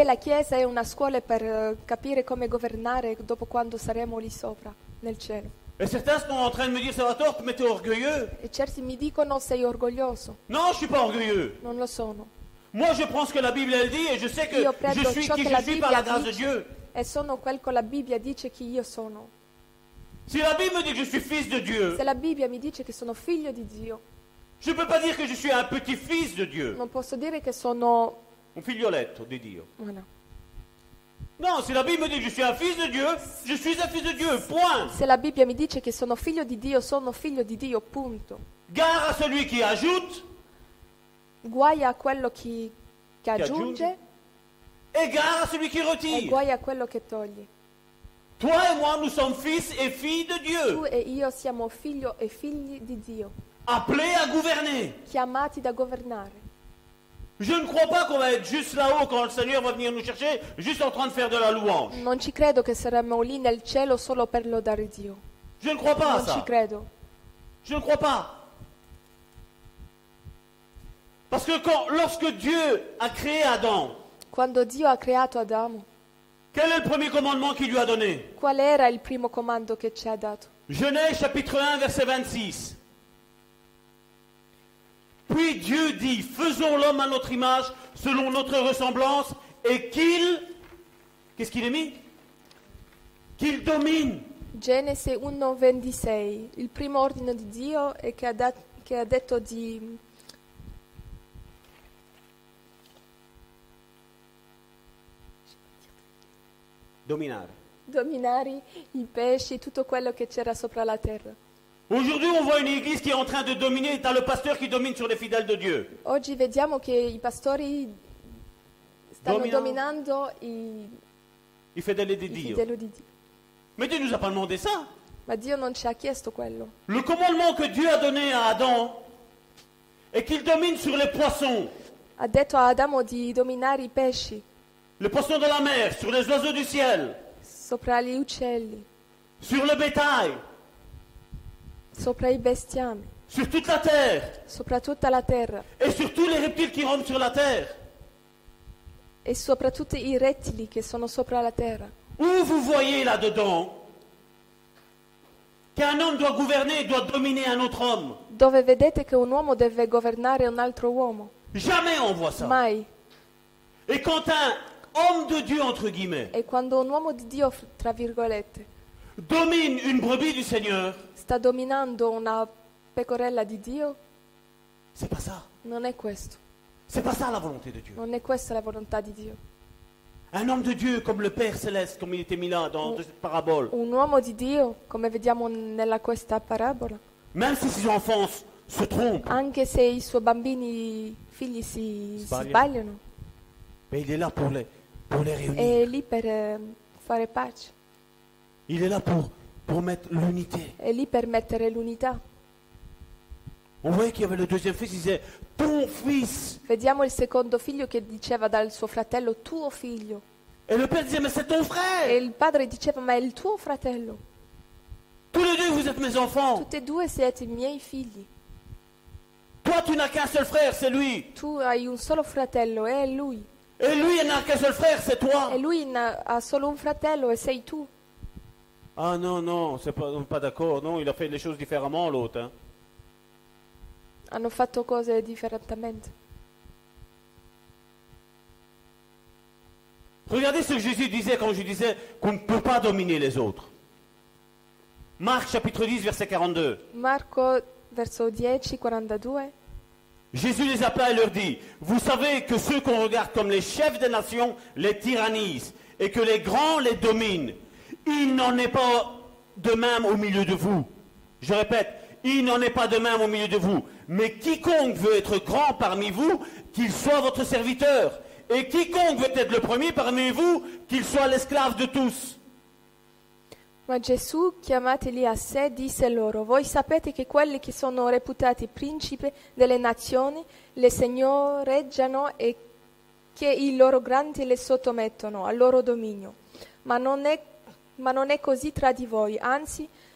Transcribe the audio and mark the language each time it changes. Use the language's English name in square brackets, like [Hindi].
[Italian] E la chiesa è una scuola per capire come governare dopo quando saremo lì sopra nel cielo. [French] Et certains sont en train de me dire ça va tort, mais tu es orgueilleux. [Italian] E certi mi dicono sei orgoglioso. [French] Non, je suis pas orgueilleux. [Italian] Non lo sono. [French] Moi, je prends ce que la Bible elle dit et je sais que je suis qui je suis par la grâce de Dieu. [Italian] E sono quel che la Bibbia dice che io sono. Si la Bibbia mi dice che sono figlio di Dio. Se la Bibbia mi dice che sono figlio di Dio. [French] Je peux pas dire que je suis un petit fils de Dieu. [Italian] Non posso dire che sono un figlioletto di Dio. [French] Voilà. Non, si [Italian] la Bibbia mi dice che sono [French] un fils de Dieu, je suis un fils de Dieu, point. [Italian] Se la Bibbia mi dice che sono figlio di Dio, punto. [French] Gare a celui qui ajoute. [Italian] Guai a quello che aggiunge. [French] E gare à celui qui retire. [Italian] E guai a quello che toglie. [French] Toi et moi, nous sommes fils et filles de Dieu. [Italian] Tu e io siamo figlio e figli di Dio. [French] Appelés à gouverner. [Italian] Chiamati da governare. [French] Je ne crois pas qu'on va être juste là-haut quand le Seigneur va venir nous chercher, juste en train de faire de la louange. [Italian] Non ci credo che saremo lì nel cielo solo per lodare Dio. [French] Je ne crois pas à ça. [Italian] Non ci credo. [French] Je ne crois pas. Parce que lorsque Dieu a créé Adam. Quando Dio ha creato Adamo. Quel est le premier commandement qu'il lui a donné? Qual era il primo comando che ci ha dato? Genèse chapitre 1 verset 26. Puis Dieu dit: faisons l'homme à notre image, selon notre ressemblance, et qu'il qu'est-ce qu'il est mis? Qu'il domine. Genèse 1 26. [Italian] Il primo ordine di Dio è che ha detto di dominare. Dominare i pesci e tutto quello che c'era sopra la terra. [French] Aujourd'hui, on voit une église qui est en train de dominer. T'as le pasteur qui domine sur les fidèles de Dieu. [Italian] Oggi vediamo che i pastori stanno dominando i fedeli di Dio. Fedeli di Dio. [French] Mais Dieu nous a pas demandé ça. [Italian] Ma Dio non ci ha chiesto quello. [French] Le commandement que Dieu a donné à Adam est qu'il domine sur les poissons. [Italian] Ha detto a Adamo di dominare i pesci. [French] Les poissons de la mer, sur les oiseaux du ciel. [Italian] Sopra gli uccelli. [French] Sur le bétail. [Italian] Sopra i bestiami. [French] Sur toute la terre. [Italian] Sopra tutta la terra. [French] Et sur tous les reptiles qui rôdent sur la terre. [Italian] E sopra tutti i rettili che sono sopra la terra. [French] Où vous voyez là-dedans qu'un homme doit gouverner, doit dominer un autre homme? [Italian] Dove vedete che un uomo deve governare un altro uomo? [French] Jamais on voit ça. [Italian] Mai. [French] Et quand un homme de Dieu entre guillemets. [Italian] E quando un uomo di Dio tra virgolette. [French] Domine une brebis du Seigneur. [Italian] Sta dominando una pecorella di Dio. [French] C'est pas ça. [Italian] Non è questo. [French] C'est pas ça la volonté de Dieu. [Italian] Non è questa la volontà di Dio. [French] Un homme de Dieu comme le Père céleste, comme il était mis là dans cette parabole. [Italian] Un uomo di Dio, come vediamo nella questa parabola. [French] Même si ses enfants se trompent. [Italian] Anche se i suoi bambini figli si sbagliano. [French] Mais il est là pour les réunir. [Italian] È lì per fare pace. [French] Il est là pour mettre l'unité. [Italian] È lì per mettere l'unità. [French] On voyait qu'il y avait le deuxième fils, il disait ton fils. [Italian] Vediamo il secondo figlio che diceva dal suo fratello tuo figlio. [French] Et le père disait mais c'est ton frère. [Italian] E il padre diceva ma è il tuo fratello. [French] Tous les deux vous êtes mes enfants. [Italian] Tutti e due siete miei figli. [French] Toi tu n'as qu'un seul frère, c'est lui. [Italian] Tu hai un solo fratello, è lui. [French] Et lui n'a qu'un seul frère, c'est toi. [Italian] E lui ha solo un fratello e sei tu. [French] Ah non non, c'est pas d'accord. Non, il a fait les choses différemment l'autre. Hein. [Italian] Hanno fatto cose differentemente. [French] Regardez ce que Jésus disait quand je disais qu'on ne peut pas dominer les autres. Marc chapitre 10 verset 42. [Italian] Marco verso 10 42. [French] Jésus les appela et leur dit: vous savez que ceux qu'on regarde comme les chefs des nations les tyrannisent et que les grands les dominent. Il n'en est pas de même au milieu de vous. Je répète, il n'en est pas de même au milieu de vous. Mais quiconque veut être grand parmi vous, qu'il soit votre serviteur. Et quiconque veut être le premier parmi vous, qu'il soit l'esclave de tous. [Italian] Ma Gesù, chiamateli a sé, disse loro: voi sapete che quelli che sono reputati principi delle nazioni le signoreggiano e che i loro grandi le sottomettono al loro dominio. Ma non è così tra di voi, anzi.